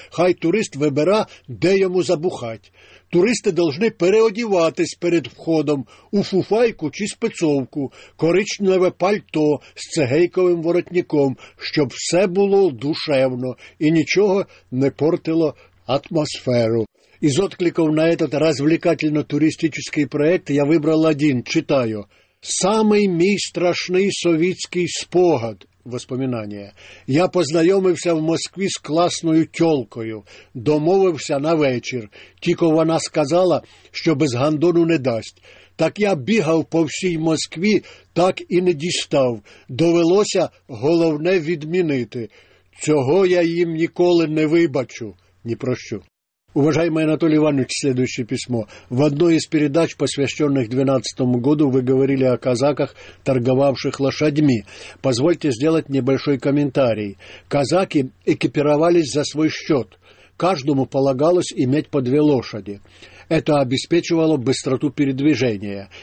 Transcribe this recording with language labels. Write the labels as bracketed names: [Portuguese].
[Ukrainian] Хай турист вибира, де йому забухать. Туристи повинні переодіватись перед входом у фуфайку чи спецовку, коричневе пальто з цегейковим воротником, щоб все було душевно і нічого не портило атмосферу. [Russian] Из откликов на этот развлекательно-туристический проект я выбрал один, читаю. [Ukrainian] «Самый мій страшний совєтський спогад» – воспоминание. «Я познайомився в Москві з класною тёлкою, домовився на вечір, тільки вона сказала, що без гандону не дасть. Так я бігав по всій Москві, так і не дістав, довелося головне відмінити. Цього я їм ніколи не вибачу, ні про що». [Russian] Уважаемый Анатолий Иванович, следующее письмо. В одной из передач, посвященных 2012 году, вы говорили о казаках, торговавших лошадьми. Позвольте сделать небольшой комментарий. Казаки экипировались за свой счет. Каждому полагалось иметь по две лошади. Это обеспечивало быстроту передвижения.